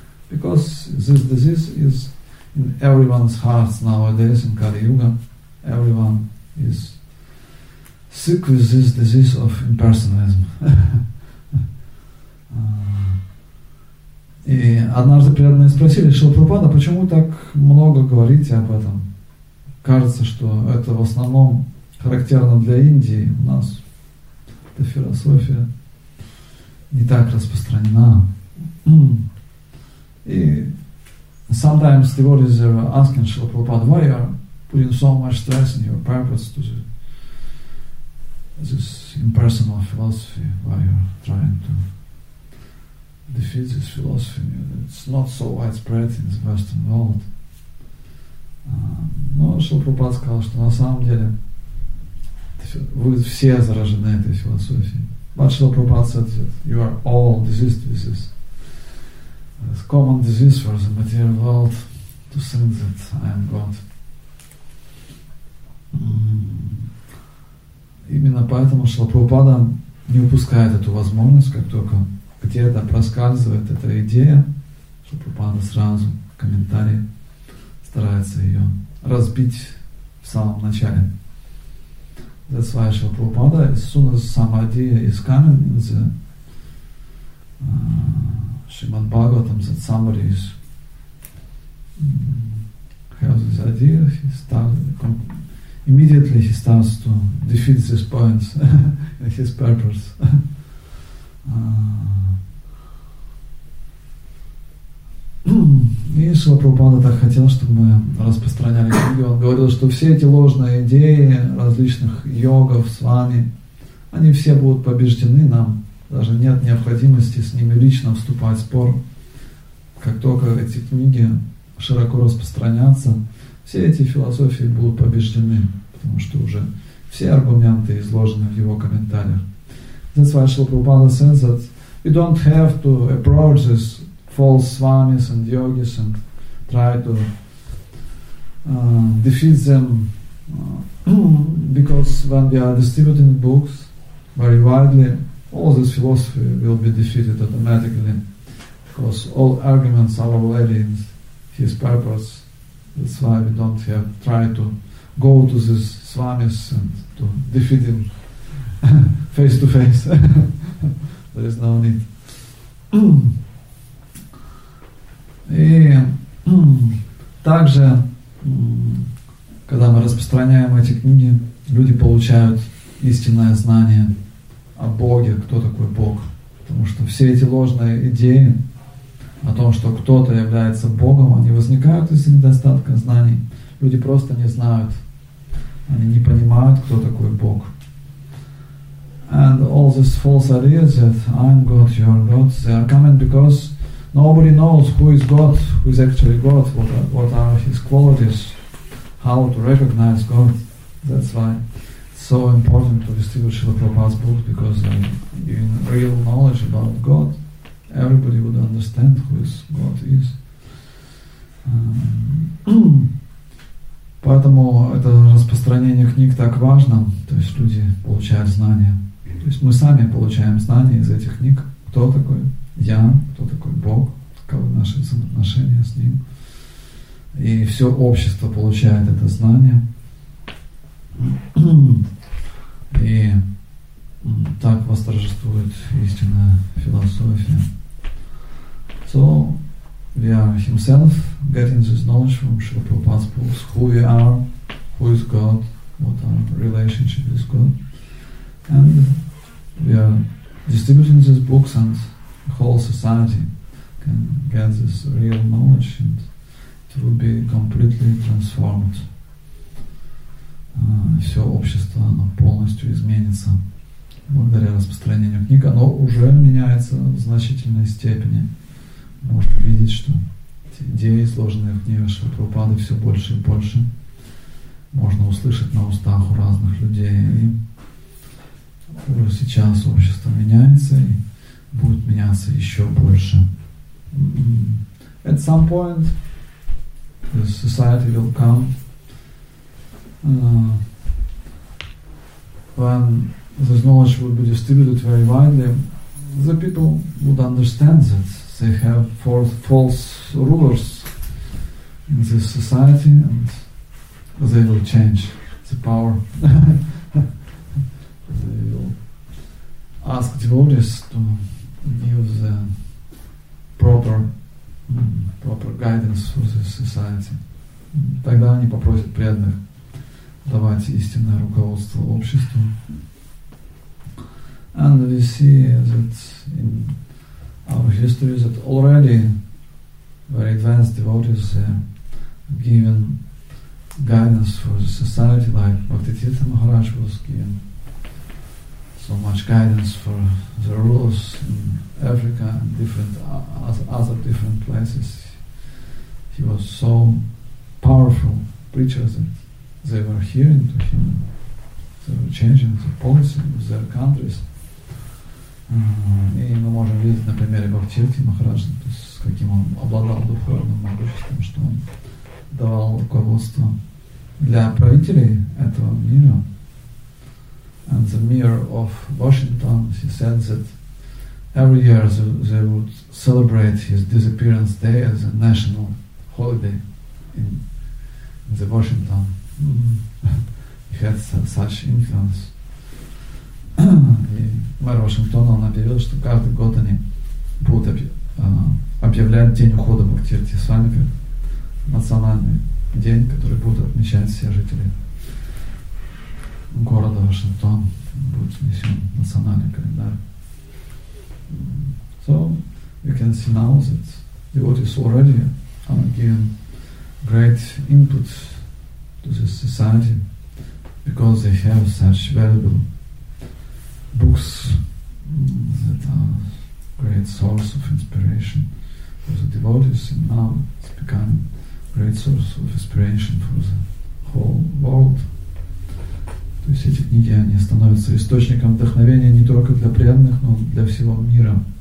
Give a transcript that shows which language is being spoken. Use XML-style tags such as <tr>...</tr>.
<en>Because this disease is in everyone's hearts nowadays in Kali Yuga. Everyone is sick with this disease of impersonalism.</en> <ru>И однажды преданные спросили Шрила Прабхупада, почему так много говорите об этом? Кажется, что это в основном характерно для Индии. У нас эта философия не так распространена.</ru> <en>И sometimes devotees are asking Shri Prabhupada, why you are putting so much stress in your purpose to the this impersonal philosophy while you're trying to defeat this philosophy. It's not so widespread in the Western world.</en> <ru>Но Шилпрупад сказал, что на самом деле вы все заражены этой философией.</ru> <en>But Шилпрупад said that you are all diseased with this. It's a common disease for the material world to think that I am God.</en> <ru>Именно поэтому Шилпрупада не упускает эту возможность, как только где-то проскальзывает эта идея, Шилпрупада сразу комментарий старается ее разбить в самом начале.</ru> <en>That's why Шилпрупада, as soon as some idea is coming in the Shrimad Bhagavatam, that somebody is has this idea, he starts immediately he starts to defeat this point in his purpose.</en> <ru>И Шрила Прабхупада так хотел, чтобы мы распространяли книги. Он говорил, что все эти ложные идеи различных йогов, свами, они все будут побеждены. Нам даже нет необходимости с ними лично вступать в спор. Как только эти книги широко распространятся, все эти философии будут побеждены, потому что уже все аргументы изложены в его комментариях.</ru> <en>That's why Шрила Прабхупада says that we don't have to approach this false swamis and yogis and try to defeat them because when we are distributing books very widely, all this philosophy will be defeated automatically because all arguments are already in his purpose. That's why we don't have to try to go to these swamis and to defeat him face to face. There is no need.</en> <ru>И также, когда мы распространяем эти книги, люди получают истинное знание о Боге, кто такой Бог. Потому что все эти ложные идеи о том, что кто-то является Богом, они возникают из-за недостатка знаний. Люди просто не знают, они не понимают, кто такой Бог.</ru> <en>And all these false ideas that I'm God, you're God, they are coming because nobody knows who is God, who is actually God, what are his qualities, how to recognize God. That's why it's so important to distinguish Srila Prabhupada's books, because in real knowledge about God, everybody would understand who is God is.</en> <ru>Поэтому это распространение книг так важно, то есть люди получают знания. То есть мы сами получаем знания из этих книг, кто такой я, кто такой Бог, каковы наши взаимоотношения с Ним. И все общество получает это знание. И так восторжествует истинная философия.</ru> <en>So, we are himself getting this knowledge from Srila Prabhupada's books. Who we are, who is God, what our relationship is God. And we are distributing these books and the whole society can get this real knowledge and it will be completely transformed.</en> <ru>Все общество, оно полностью изменится благодаря распространению книг. Оно уже меняется в значительной степени. Может видеть, что эти идеи, сложенные в книге Шрилы Прабхупады, все больше и больше можно услышать на устах у разных людей. И уже сейчас общество меняется и будет меняться еще больше.</ru> <en>At some point, the society will come when this knowledge will be distributed very widely. The people would understand that they have false rulers in this society, and they will change the power. They will ask devotees to give the proper guidance for the society.</en> <ru>Тогда они попросят преданных давать истинное руководство обществу.</ru> <en>And we see that in our history that already very advanced devotees given guidance for the society, like Bhaktisiddhanta Maharaj was given so much guidance for the rulers in Africa and different other different places. He was so powerful preacher that they were hearing to him. They were changing the policy of their countries.</en> <ru>И мы можем видеть на примере Бхактивати Махараджа, то есть каким он обладал духовным могуществом, что он давал руководство для правителей этого мира.</ru> <en>And the mayor of Washington, he said that every year they would celebrate his disappearance day as a national holiday in the Washington. Mm-hmm. He had such influence.</en> <ru>И мэр Вашингтона, он объявил, что каждый год они будут объявлять день ухода Бхактивати Свами, национальный день, который будут отмечать все жители города Вашингтон, будет внесен национальный календарь.</ru> <en>So, we can see now that devotees already are giving great input to this society because they have such valuable books that are great source of inspiration for the devotees, and now it's become great source of inspiration for the whole world.</en> <ru>То есть эти книги, они становятся источником вдохновения не только для преданных, но для всего мира.</ru>